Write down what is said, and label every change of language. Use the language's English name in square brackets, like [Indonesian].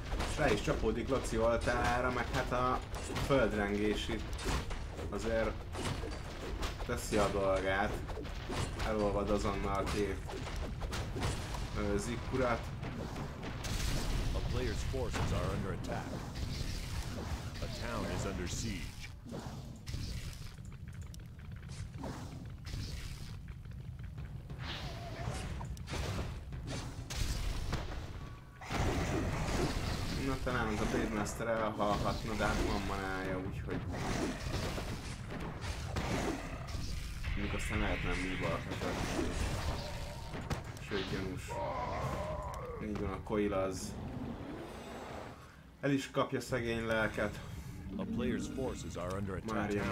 [Hungarian] És rá is csapódik Loci altára, meg hát a földrengés itt azért teszi a dolgát. Elolvad azonnal a két zikkurat. [English] Player's forces are under attack. A town is under siege. [Hungarian] Na talán az a Blademaster elhalhatna, de hát van manája, úgyhogy... Még aztán lehet nem művalhatat. Sőt, gyanús. Így van, a coil az... El is kapja szegény lelket. [English] A player's forces are under attack.